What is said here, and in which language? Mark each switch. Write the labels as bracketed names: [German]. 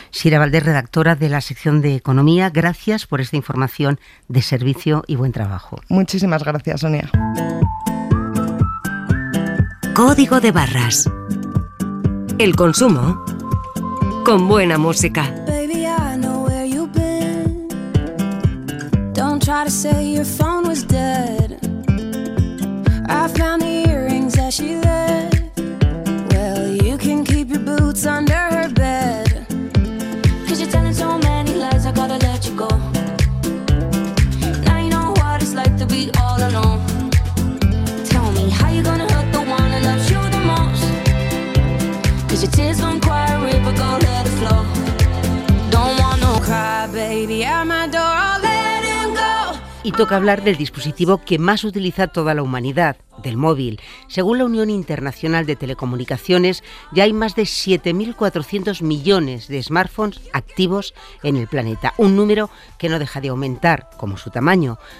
[Spanish] Shira Valdés, redactora de la sección de Economía, gracias por esta información de servicio y buen trabajo. Muchísimas gracias, Sonia. Código de barras. El consumo con buena música. [English] Baby, I know where you've been. Don't try to say your phone was dead. I found the earrings that she left. Well, you can keep your boots under her bed. 'Cause you're telling so many lies, I gotta let you go. All alone. Tell me how you gonna hurt the one that loves you the most. 'Cause your tears won't cry a river, go let it flow. Don't want no cry, baby, at my door, I'll let him go. [Spanish] Y toca hablar del dispositivo que más utiliza toda la humanidad, del móvil. Según la Unión Internacional de Telecomunicaciones, ya hay más de 7.400 millones de smartphones activos en el planeta, un número que no deja de aumentar, como su tamaño.